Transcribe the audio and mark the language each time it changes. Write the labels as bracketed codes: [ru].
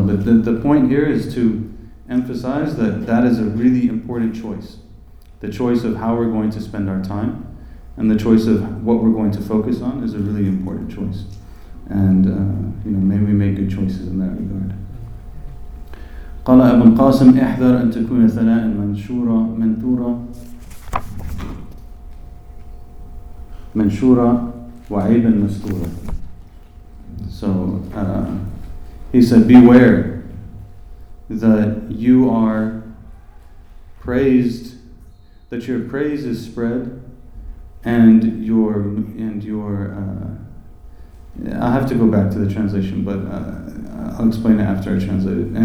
[en] But the point here is to emphasize that that is a really important choice. The choice of how we're going to spend our time and the choice of what we're going to focus on is a really important choice. And, you know, may we make good choices in that regard. [ar] قال ابن قاسم احذر ان تكون ثناء منشورا منثورا منشورا وعيبا مستورا. [en] So, he said, beware that you are praised, that your praise is spread, I have to go back to the translation, but I'll explain it after I translate it.